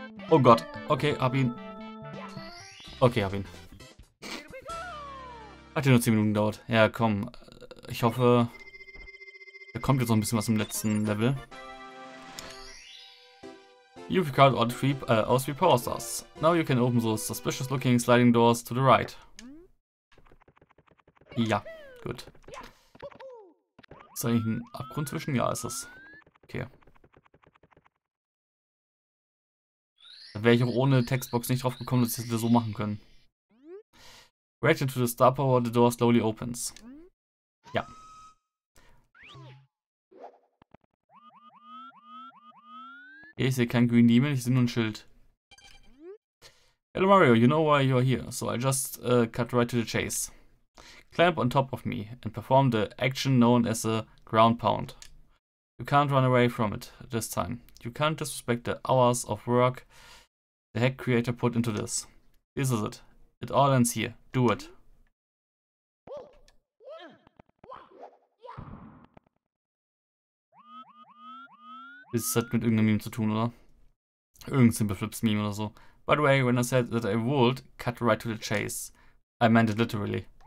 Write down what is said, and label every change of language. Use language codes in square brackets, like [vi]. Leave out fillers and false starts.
[de] Oh Gott. Okay, hab ihn. Okay, hab ihn. Hat ja nur 10 Minuten gedauert. Ja, komm. Ich hoffe, da kommt jetzt noch ein bisschen was im letzten Level. [en] You've got all three, power stars. Now you can open those suspicious looking sliding doors to the right. [de] Ja, gut. Ist eigentlich ein Abgrund zwischen? Ja, ist es. Okay. Da wäre ich auch ohne Textbox nicht drauf gekommen, dass ich das so machen können. [en] Right into the star power, the door slowly opens. [de] Ja. Ich sehe kein Green Demon, ich sehe nur ein Schild. [en] Hello Mario, you know why you're here, so I'll just cut right to the chase. Climb on top of me and perform the action known as a ground pound. You can't run away from it this time. You can't disrespect the hours of work the hack creator put into this. This is it. It all ends here. Do it. [de] Das hat mit irgendeinem Meme zu tun, oder? Irgendein Simple Flips Meme oder so. [en] By the way, when I said that I would cut right to the chase, I meant it literally.